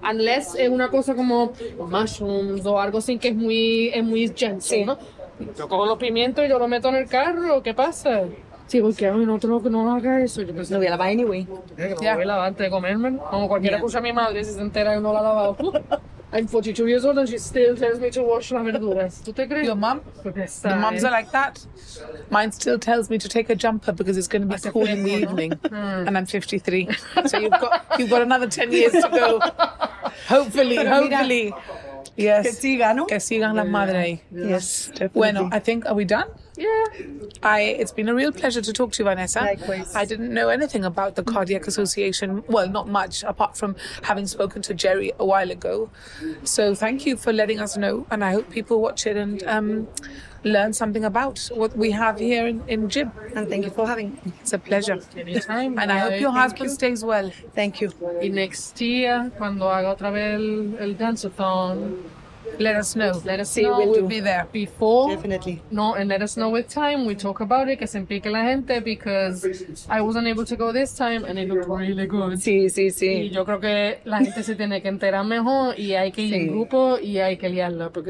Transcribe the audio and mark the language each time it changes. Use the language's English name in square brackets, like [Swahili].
[Spanish] Unless es una cosa como mushrooms o algo así que es muy gentle, sí. ¿No? Yo cojo los pimientos y yo los meto en el carro. ¿Qué pasa? Sí, porque a mí no tengo que no haga eso. Yo pensé, lo voy a lavar anyway. Lo voy a lavar antes de comerme. Como cualquiera escucha a mi madre si se entera que no la ha lavado. [English] I'm 42 years old and she still tells me to wash [Spanish] las verduras. ¿Tú te crees? [English] Your mom? Your moms are like that. Mine still tells me to take a jumper because it's going to be cool in the evening. And I'm 53. So you've got another 10 years to go. Hopefully. Yes. [Spanish] Que siga, ¿no? Que sigan las madres. [English] Yes, definitely. [Spanish] Bueno, [English] I think, are we done? Yeah. It's been a real pleasure to talk to you, Vanessa. Likewise. I didn't know anything about the Cardiac Association. Well, not much, apart from having spoken to Jerry a while ago. So thank you for letting us know. And I hope people watch it and learn something about what we have here in Jib. And thank you for having me. It's a pleasure. Anytime. And I hope your husband stays well. Thank you. [Spanish] Y [English] next year, [Spanish] cuando haga otra vez el dance-a-thon, [English] Let us know. We'll be there. Before. Definitely. No, and let us know with time. We talk about it, [Spanish] que se implique la gente, [English] because I wasn't able to go this time, and it looked really good. [Spanish] Sí. Y yo creo que la gente se tiene que enterar mejor, y hay que ir en grupo, y hay que liarla, porque